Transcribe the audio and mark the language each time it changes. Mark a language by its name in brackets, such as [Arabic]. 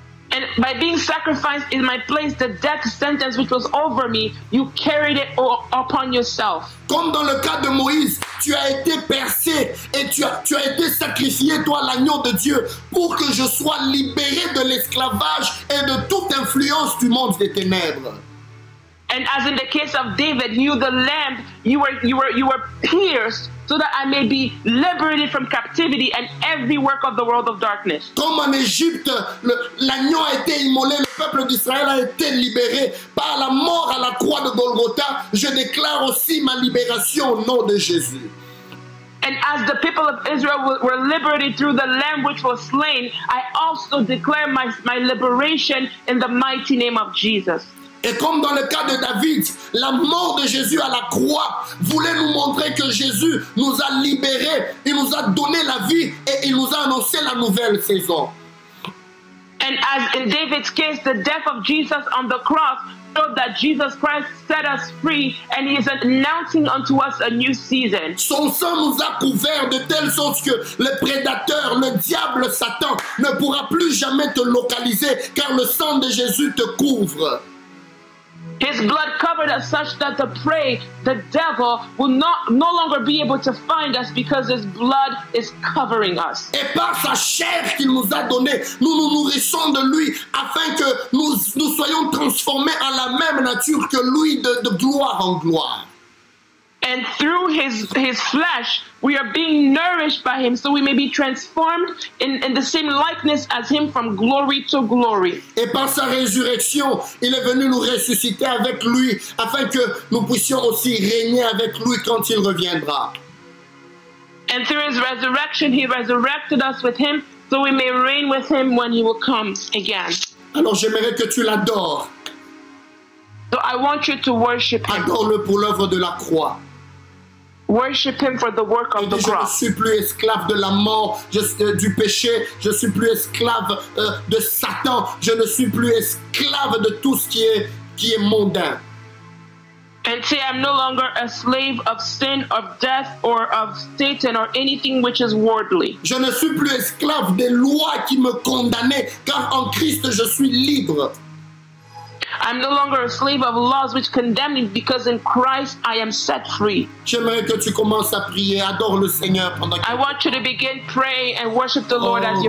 [English] And by being sacrificed in my place, the death sentence which was over me, you carried it upon yourself. [French] Comme dans le cas de Moïse, tu as été percé et tu as été sacrifié, toi, l'agneau de Dieu, pour que je sois libéré de l'esclavage et de toute influence du monde des ténèbres. [English] And as in the case of David, you, the lamb, you were pierced so that I may be liberated from captivity and every work of the world of darkness. [French] Comme en Égypte, l'agneau a été immolé, le peuple d'Israël a été libéré par la mort à la croix de Golgotha. Je déclare aussi ma libération au nom de Jésus. [English] And as the people of Israel were liberated through the lamb which was slain, I also declare my liberation in the mighty name of Jesus. [French] Et comme dans le cas de David, la mort de Jésus à la croix voulait nous montrer que Jésus nous a libérés, il nous a donné la vie et il nous a annoncé la nouvelle saison. [English] And as in David's case, the death of Jesus on the cross showed that Jesus Christ set us free and he is announcing unto us a new season. [French] Son sang nous a couverts de telle sorte que le prédateur, le diable, Satan ne pourra plus jamais te localiser car le sang de Jésus te couvre. [English] His blood covered us such that the prey, the devil, will no longer be able to find us because his blood is covering us. [French] Et par sa chair qu'il nous a donné, nous nous nourrissons de lui afin que nous soyons transformés en la même nature que lui de gloire en gloire. [English] And through his flesh, we are being nourished by him so we may be transformed in the same likeness as him from glory to glory. [French] Et par sa résurrection, il est venu nous ressusciter avec lui afin que nous puissions aussi régner avec lui quand il reviendra. [English] And through his resurrection, he resurrected us with him so we may reign with him when he will come again. [French] Alors j'aimerais que tu l'adores. [English] So I want you to worship him. [French] Adore-le pour l'œuvre de la croix. [English] Worship him for the work of the cross. [French] Je ne suis plus esclave de la mort, du péché. Je ne suis plus esclave de Satan. Je ne suis plus esclave de tout ce qui est mondain. [English] And say I'm no longer a slave of sin, of death, or of Satan, or anything which is worldly. [French] Je ne suis plus esclave des lois qui me condamnaient, car en Christ je suis libre. [English] I'm no longer a slave of laws which condemn me, because in Christ I am set free. [French] J'aimerais que tu commences à prier, adore le Seigneur pendant que... [English] I want you to begin praying and worship the Lord as you